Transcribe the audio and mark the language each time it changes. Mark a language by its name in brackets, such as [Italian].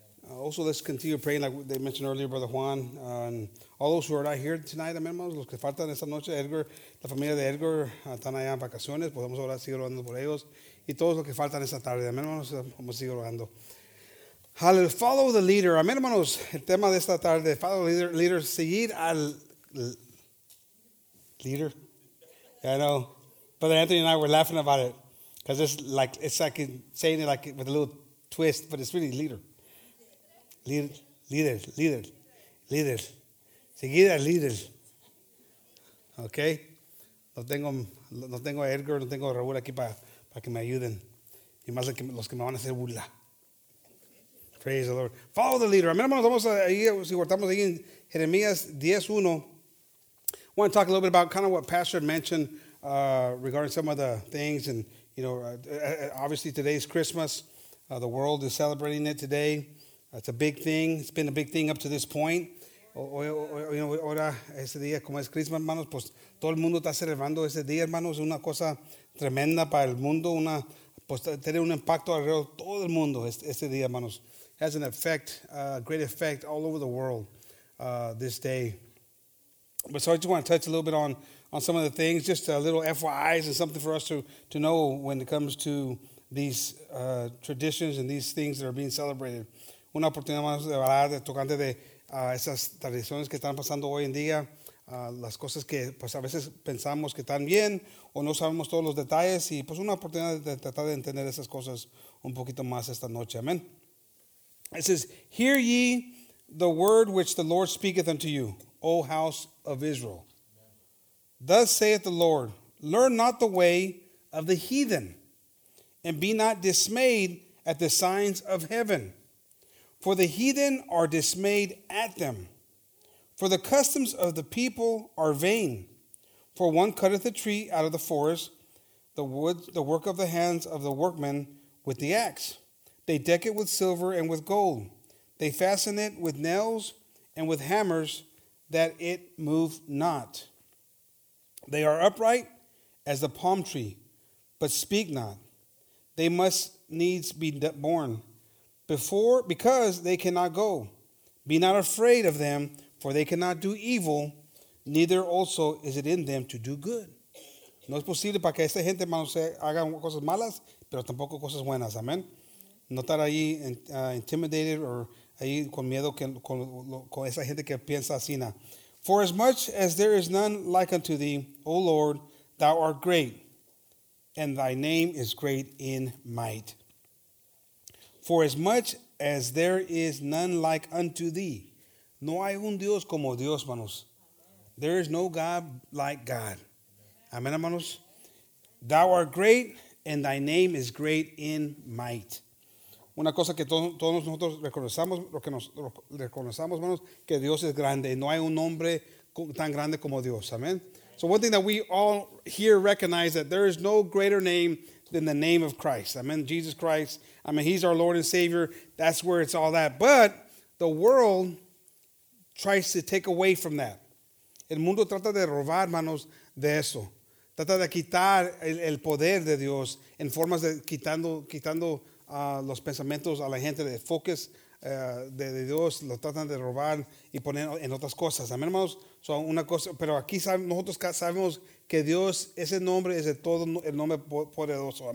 [English] Also, let's continue praying, like they mentioned earlier, Brother Juan. And all those who are not here tonight, amen, hermanos. [Spanish] Los que faltan esta noche, Edgar, la familia de Edgar, están allá en vacaciones. Podemos orar, seguir orando por ellos. Y todos los que faltan esta tarde, amen, hermanos. Vamos a seguir orando. Hallelujah. [English] Follow the leader. [Spanish] Amen, hermanos. El tema de esta tarde, [English] follow the leader. [Spanish] Seguir al... [English] Leader? Yeah, I know. Brother Anthony and I were laughing about it. Because it's like saying it like with a little twist, but it's really leader. [Spanish] Leader. Seguir al líder. Okay? No tengo a Edgar, no tengo a Raúl aquí para que me ayuden. Y más los que me van a hacer burla. [English] Praise the Lord. Follow the leader. [Spanish] Amén, hermanos, vamos ahí, si guardamos ahí en Jeremías 10:1. [English] I want to talk a little bit about kind of what Pastor mentioned regarding some of the things. And, you know, obviously today's Christmas. The world is celebrating it today. It's a big thing. It's been a big thing up to this point. You know, [Spanish] ahora, ese día, como es Christmas, hermanos, pues todo el mundo está celebrando ese día, hermanos. Una cosa tremenda para el mundo. Una, pues tener un impacto alrededor de todo el mundo ese día, hermanos. [English] Has an effect, a great effect all over the world this day. But so I just want to touch a little bit on some of the things, just a little FYIs and something for us to know when it comes to these traditions and these things that are being celebrated. [Spanish] Una oportunidad más de hablar de tocante de esas tradiciones que están pasando hoy en día, las cosas que pues a veces pensamos que están bien o no sabemos todos los detalles y pues una oportunidad de tratar de entender esas cosas un poquito más esta noche. Amen. [English] It says, hear ye the word which the Lord speaketh unto you, O house of Israel. Thus saith the Lord, learn not the way of the heathen, and be not dismayed at the signs of heaven. For the heathen are dismayed at them. For the customs of the people are vain. For one cutteth a tree out of the forest, the wood, the work of the hands of the workmen with the axe. They deck it with silver and with gold. They fasten it with nails and with hammers, that it move not. They are upright as the palm tree, but speak not. They must needs be born before, because they cannot go. Be not afraid of them, for they cannot do evil, neither also is it in them to do good. [Spanish] No es posible para que esta gente, hermanos, haga cosas malas, pero tampoco cosas buenas. Amen. No estar ahí intimidated or ahí con miedo con esa gente que piensa así. [English] For as much as there is none like unto thee, O Lord, thou art great, and thy name is great in might. For as much as there is none like unto thee. [Spanish] No hay un Dios como Dios, hermanos. [English] There is no God like God. [Spanish] Amen, hermanos. [English] Thou art great, and thy name is great in might. [Spanish] Una cosa que todos nosotros reconocemos, hermanos, que Dios es grande. No hay un nombre tan grande como Dios. Amen. [English] So one thing that we all here recognize, that there is no greater name than the name of Christ. Amen. Jesus Christ. I mean, he's our Lord and Savior. That's where it's all at. But The world tries to take away from that. [Spanish] El mundo trata de robar, hermanos, de eso. Trata de quitar el poder de Dios en formas de quitando los pensamientos a la gente de focus de Dios. Lo tratan de robar y poner en otras cosas. Amén, hermanos. Son una cosa, pero aquí nosotros sabemos que Dios, ese nombre es de todo el nombre poderoso.